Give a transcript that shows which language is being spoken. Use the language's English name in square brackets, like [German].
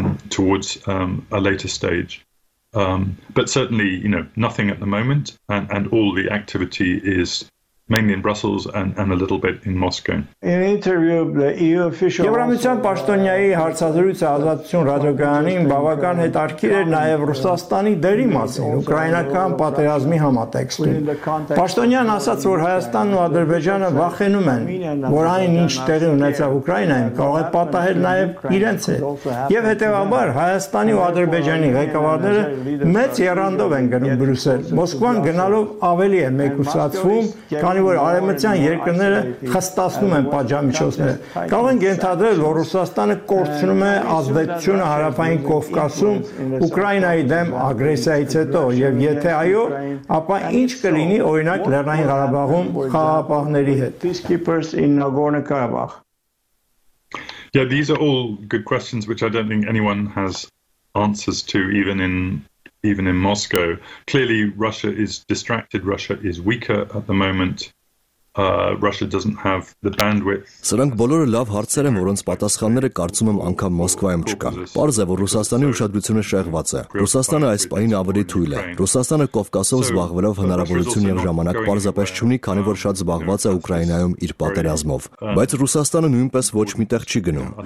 [English] Towards a later stage, but certainly, you know, nothing at the moment, and all the activity is mainly in Brussels and a little bit in Moscow. In interview, the EU official. [Armenian] Եվրամիության Պաշտոնյայի հարցազրույցը ազատություն ռադիոգրաֆին բավական հետաքրքիր էր նաև Ռուսաստանի դերի մասին ուկրաինական պատերազմի համատեքստում։ Պաշտոնյան ասաց, որ Հայաստանն ու Ադրբեջանը վախենում են, որ այն ինչ տեղի ունեցավ Ուկրաինայում կարող է պատահել նաև իրենց հետ։ Եվ հետևաբար Հայաստանի ու Ադրբեջանի ղեկավարները մեծ եռանդով են գնում Բրյուսել, Մոսկվան գնալով ավելի է մեկուսացվում, քանի որ արևմտյան երկրները խստացնում են պատժամիջոցները։ Կարող ենք ենթադրել, որ Ռուսաստանը կորցնում է ազդեցությունը Հարավային Կովկասում Ուկրաինայի դեմ ագրեսիայից հետո, եւ եթե այո, ապա ինչ կլինի օրինակ Լեռնային Ղարաբաղում խաղապահների հետ։ [English] Peacekeepers in Nagorno-Karabakh. Yeah, these are all good questions which I don't think anyone has answers to even in even in Moscow. Clearly, Russia is distracted. Russia is weaker at the moment. Russia doesn't have the bandwidth. [Armenian] Սրանք բոլորը լավ հարցեր են, որոնց պատասխանները կարծում եմ անգամ Մոսկվայում չկան։ Պարզ է, որ Ռուսաստանի ուշադրությունը շեղված է։ Ռուսաստանը այս պահին ավելի թույլ է։ Ռուսաստանը Կովկասով զբաղվելով հնարավորություն եւ ժամանակ պարզապես չունի, քանի որ շատ զբաղված է Ուկրաինայում իր պատերազմով։ Բայց Ռուսաստանը նույնպես ոչ մի տեղ չի գնում։